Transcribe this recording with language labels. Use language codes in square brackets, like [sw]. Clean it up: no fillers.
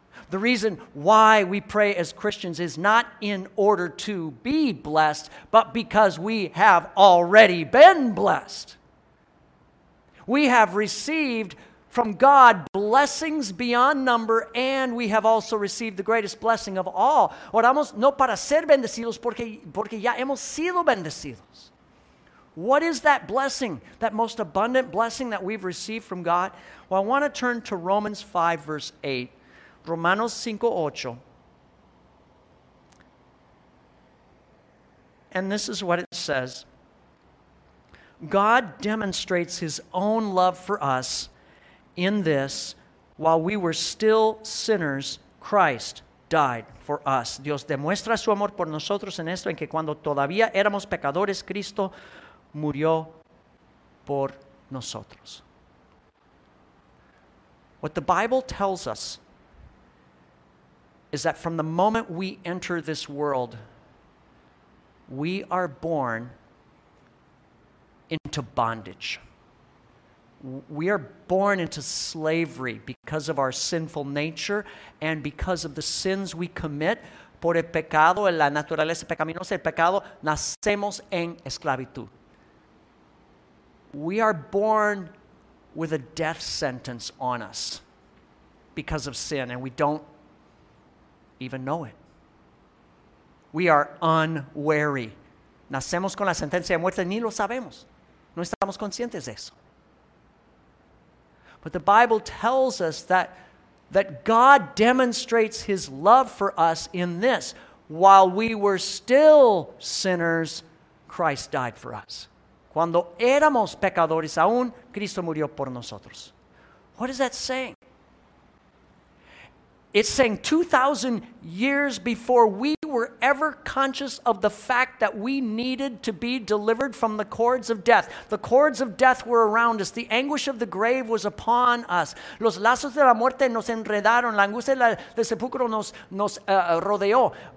[en] The reason why we pray as Christians is not in order to be blessed, but because we have already been blessed. We have received from God blessings beyond number, and we have also received the greatest blessing of all. [es] Oramos no para ser bendecidos porque ya hemos sido bendecidos. [en] What is that blessing, that most abundant blessing that we've received from God? Well, I want to turn to Romans 5, verse 8. Romanos 5:8. And this is what it says. God demonstrates his own love for us in this: while we were still sinners, Christ died for us. [es] Dios demuestra su amor por nosotros en esto, en que cuando todavía éramos pecadores, Cristo murió por nosotros. [en] What the Bible tells us is that from the moment we enter this world, we are born into bondage. We are born into slavery because of our sinful nature and because of the sins we commit. [es] Por el pecado, en la naturaleza pecaminosa, el pecado, nacemos en esclavitud. [en] We are born with a death sentence on us because of sin, and we don't even know it. We are unwary. [es] Nacemos con la sentencia de muerte, ni lo sabemos. No estamos conscientes de eso. [en] But the Bible tells us that God demonstrates his love for us in this: while we were still sinners, Christ died for us. [es] Cuando éramos pecadores, aún Cristo murió por nosotros. [en] What is that saying? It's saying 2,000 years before we were ever conscious of the fact that we needed to be delivered from the cords of death. The cords of death were around us. The anguish of the grave was upon us. [es] Los lazos de la muerte nos enredaron. La angustia del sepulcro nos rodeó.